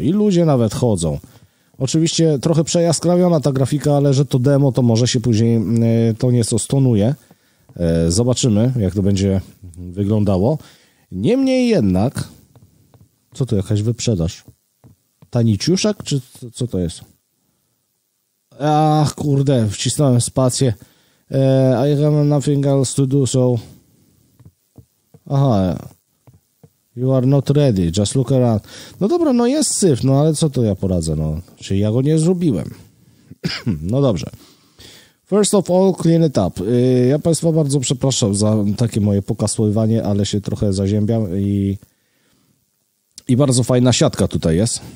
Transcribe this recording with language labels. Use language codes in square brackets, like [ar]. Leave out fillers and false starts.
[pl] I ludzie nawet chodzą. Oczywiście trochę przejaskrawiona ta grafika, ale że to demo, to może się później to nieco stonuje. Zobaczymy, jak to będzie wyglądało. Niemniej jednak, co to jakaś wyprzedaż? Taniciuszek, czy co to jest? Ach, kurde, wcisnąłem spację. [en] I have nothing else to do, so... Aha. You are not ready, just look around. [pl] No dobra, no jest syf, no ale co to ja poradzę, no? Czyli ja go nie zrobiłem. No dobrze. [en] First of all, clean it up. [pl] Ja Państwa bardzo przepraszam za takie moje pokasływanie, ale się trochę zaziębiam i bardzo fajna siatka tutaj jest.